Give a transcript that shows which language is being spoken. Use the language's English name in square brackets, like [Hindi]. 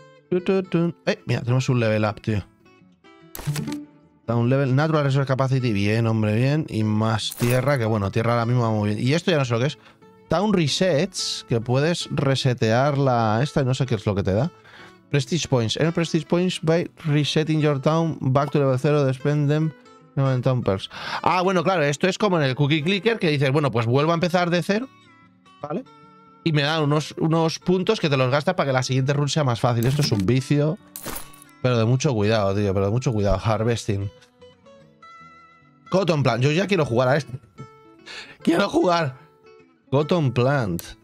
[Spanish] Mira, tenemos un level up, tío. Da un level natural resource capacity, bien, hombre, bien. Y más tierra, que bueno, tierra ahora mismo va muy bien. Y esto ya no sé lo que es. Town resets, que puedes resetear la esta y no sé qué es lo que te da. [English] Prestige points. Earn prestige points by resetting your town back to level 0. Spend them. [Spanish] Ah, bueno, claro, esto es como en el cookie clicker que dices, bueno, pues vuelvo a empezar de cero, ¿vale? Y me dan unos puntos que te los gastas para que la siguiente run sea más fácil. Esto es un vicio, pero de mucho cuidado, tío, pero de mucho cuidado. Harvesting. Cotton plant. Yo ya quiero jugar a esto. Quiero jugar. Cotton plant.